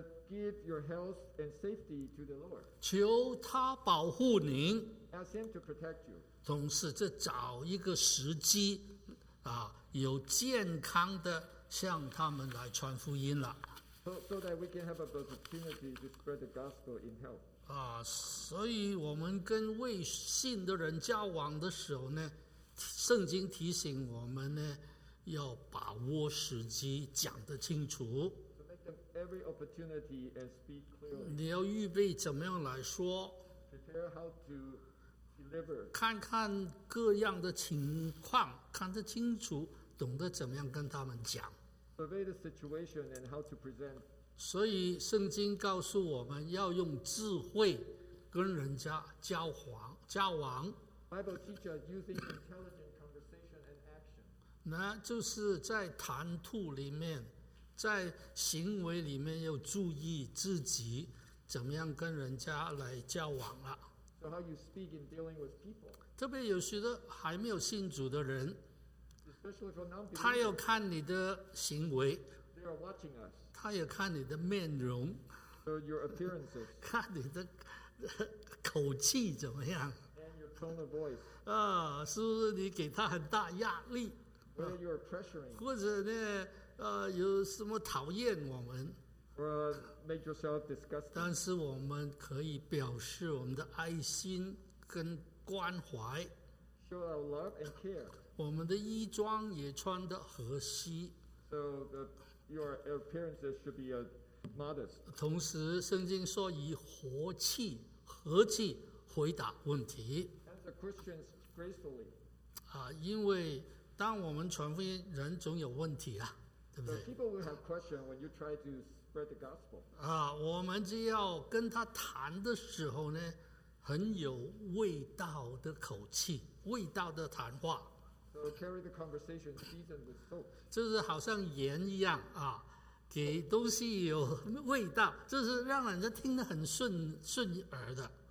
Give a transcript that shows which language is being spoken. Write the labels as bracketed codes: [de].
[en] Give your health and safety to the Lord. [zh] 求他保护您。 [en] Ask him to protect you. [zh] 总是这找一个时机，有健康的向他们来传福音了。 [en] So that we can have an opportunity to spread the gospel in health. [zh] 所以我们跟未信的人交往的时候呢，圣经提醒我们呢，要把握时机，讲得清楚。 [en] Every opportunity and speak clearly. [zh] 你要预备怎么样来说？ [en] Prepare how to deliver. [zh] 看看各样的情况，看得清楚，懂得怎么样跟他们讲。 [en] Survey the situation and how to present. [zh] 所以圣经告诉我们要用智慧跟人家交往。 [en] Bible teaches using intelligent conversation and action. [zh] 那就是在谈吐里面，在行为里面要注意自己怎么样跟人家来交往了。 [en] So how you speak in dealing with people. [zh] 特别有许多还没有信主的人， [en] especially for non-believers, [zh] 他要看你的行为。 [en] They are watching us. [zh] 他要看你的面容。 [en] So your appearances. [zh] 看你的口气怎么样。 [en] And your tone of voice. [zh] 啊，是不是你给他很大压力？ [en] Whether you are pressuring. [zh] 或者呢？有什么讨厌我们？ [en] Make yourself disgusting. [zh] 但是我们可以表示我们的爱心跟关怀。 [en] Show our love and care. [zh] 我们的衣装也穿得合宜。 [en] So your appearances should be modest. [zh] 同时，圣经说以活气、和气回答问题。 [en] Answer questions gracefully. [zh] 因为当我们传福音，人总有问题啊。 [en] So people will have questions when you try to spread the gospel. [zh] 我们就要跟他谈的时候呢，很有味道的口气，味道的谈话。 [en] So carry the conversation seasoned with soap. [zh] 就是好像盐一样啊，给东西有味道，就是让人家听得很顺耳的。